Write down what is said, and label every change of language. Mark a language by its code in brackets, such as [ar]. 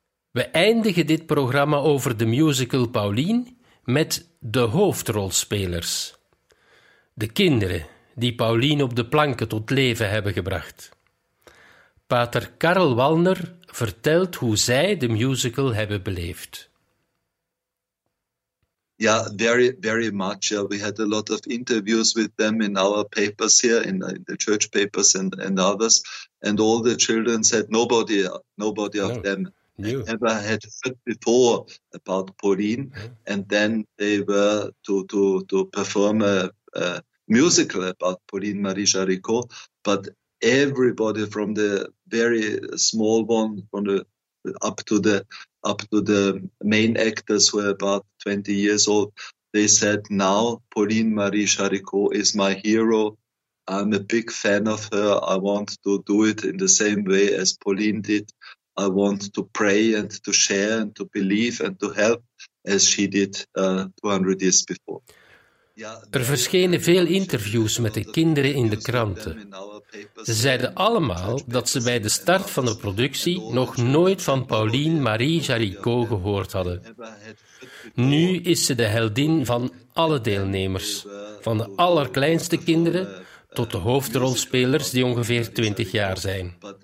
[nl] We eindigen dit programma over de musical Pauline met de hoofdrolspelers. De kinderen die Pauline op de planken tot leven hebben gebracht. Pater Karel Wallner vertelt hoe zij de musical hebben beleefd. [en] Ja, very, very much. We had a lot of interviews with them in our papers here, in the church papers and others. And all the children said nobody of them ever had heard before about Pauline. Yeah. And then they were to perform a musical about Pauline Marie Jaricot. But everybody from the very small one from the up to the main actors who are about 20 years old, they said, now Pauline Marie Jaricot is my hero. I'm a big fan of her. I want to do it in the same way as Pauline did. I want to pray and to share and to believe and to help as she did 200 years before. [nl] Er verschenen veel interviews met de kinderen in de kranten. Ze zeiden allemaal dat ze bij de start van de productie nog nooit van Pauline Marie Jaricot gehoord hadden. Nu is ze de heldin van alle deelnemers, van de allerkleinste kinderen tot de hoofdrolspelers die ongeveer 20 jaar zijn.